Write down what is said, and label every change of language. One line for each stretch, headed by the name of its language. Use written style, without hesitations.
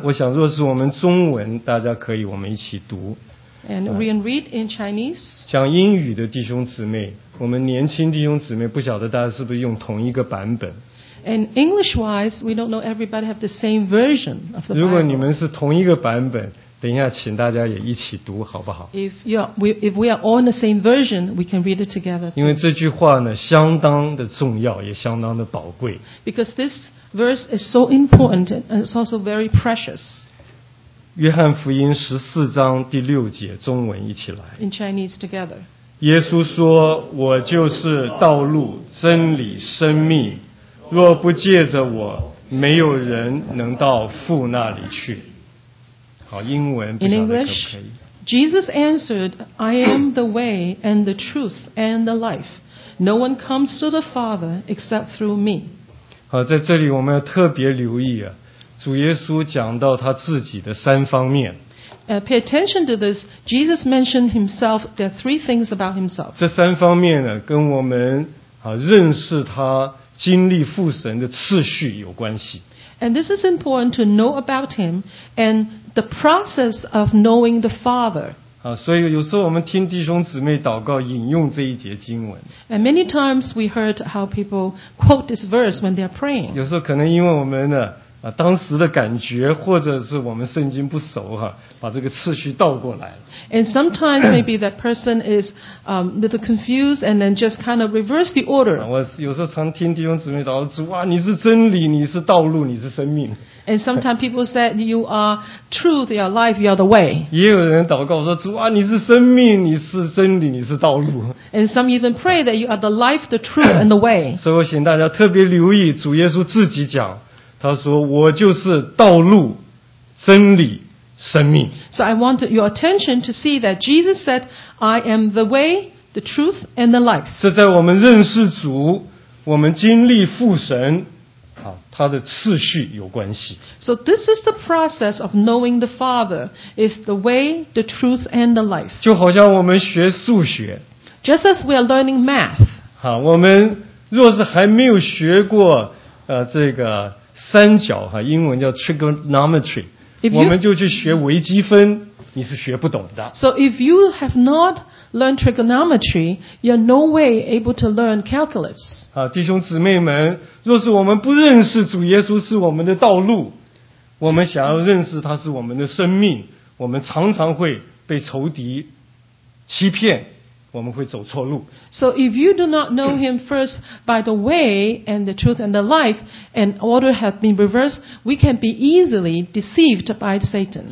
Chinese: 我想若是我们中文大家可以我们一起读。
English: And we can read in Chinese.
Chinese: 讲英语的弟兄姊妹，我们年轻弟兄姊妹不晓得大家是不是用同一个版本。
English: And English wise, we don't know everybody have the same version of the Bible.
Chinese: 如果你们是同一个版本，等一下请大家也一起读好不好？
English: If we are all in the same version, we can read it together.
Chinese: 因为这句话呢相当的重要，也相当的宝贵。
English: Because this verse is so important and it's also very precious.
Chinese: 约翰福音十四章第六节，中文一起来。
English: In Chinese together.
Chinese: 耶稣说，我就是道路、真理、生命，若不借着我，没有人能到父那里去。好，英文不晓得可不可以。
English: In English, Jesus answered, I am the way and the truth and the life. No one comes to the Father except through me.
Chinese: 好，在这里我们要特别留意啊，主耶稣讲到他自己的三方面。
English: Pay attention to this. Jesus mentioned himself, there are three things about himself.
Chinese: 这三方面呢，跟我们认识他经历父神的次序有关系。
English: And this is important to know about him and the process of knowing the Father.
Chinese: 所以有时候我们听弟兄姊妹祷告引用这一节经文。
English: And many times we heard how people quote this verse when they are praying.
Chinese: 有时候可能因为我们呢当时的感觉或者是我们圣经不熟把这个次序倒过来了。
English: And sometimes maybe that person is a little confused and then just kind of reverse the order.
Chinese: 我有时候常听弟兄姊妹祷告主啊你是真理你是道路你是生命。
English: And sometimes people say you are truth, you are life, you are the way.
Chinese: 也有人祷告说主啊你是生命你是真理你是道路。
English: And some even pray that you are the life, the truth, and the way.
Chinese: 所以我请大家特别留意主耶稣自己讲他说我就是道路真理生命。
English: So I want your attention to see that Jesus said, I am the way, the truth, and the life.
Chinese: 这在我们认识主我们经历父神他的次序有关系。
English: So this is the process of knowing the Father, is the way, the truth, and the life.
Chinese: 就好像我们学数学。
English: Just as we are learning math.
Chinese: 我们若是还没有学过这个三角英文叫 trigonometry 我们就去学微积分你是学不懂的
English: So if you have not learned trigonometry you're no way able to learn calculus
Chinese: 弟兄姊妹们若是我们不认识主耶稣是我们的道路我们想要认识他是我们的生命我们常常会被仇敌欺骗我们会走错路。
English: So if you do not know him first by the way and the truth and the life, and order have been reversed, we can be easily deceived by Satan.